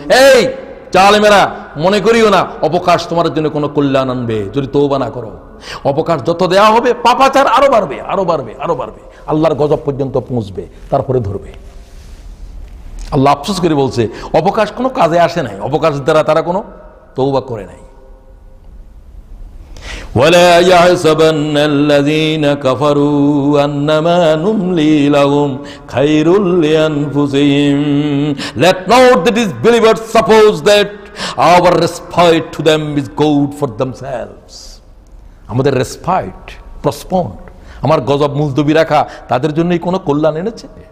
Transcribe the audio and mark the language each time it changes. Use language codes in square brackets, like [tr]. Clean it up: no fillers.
[bn] এই চালমেরা মনে করিও না অবকাশ তোমার জন্য কোনো কল্যাণ আনবে যদি তৌবা না করো। অবকাশ যত দেয়া হবে পাপাচার আরো বাড়বে, আরো বাড়বে, আরো বাড়বে, আল্লাহর গজব পর্যন্ত পৌঁছবে, তারপরে ধরবে। আল্লাহ আফসোস করে বলছে অবকাশ কোনো কাজে আসে নাই, অবকাশের দ্বারা তারা কোনো তওবা করে নাই। [ar] ولا يحسبن الذين كفروا انما نملي لهم خير لانفسهم. [en] Let not the disbelievers suppose that our respite to them is good for themselves. [bn] আমাদের [en] respite postponed, [bn] আমার গজব মুলতবি রাখা তাদের জন্যই কোনো কল্যাণ এনেছে